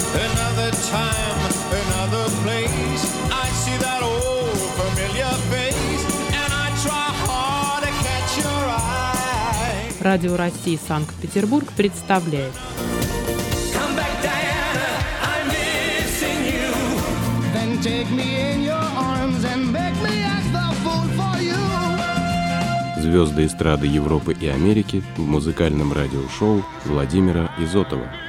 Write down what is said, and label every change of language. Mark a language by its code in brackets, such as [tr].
[en] Another time, another place, I see that old familiar face, and I try hard to catch your eye. [ru] Радио России Санкт-Петербург представляет. [en] Come back, Diana, I'm missing you. Then take me in your arms and make me act the fool for you. [ru] Звезды эстрады Европы и Америки в музыкальном радиошоу Владимира Изотова.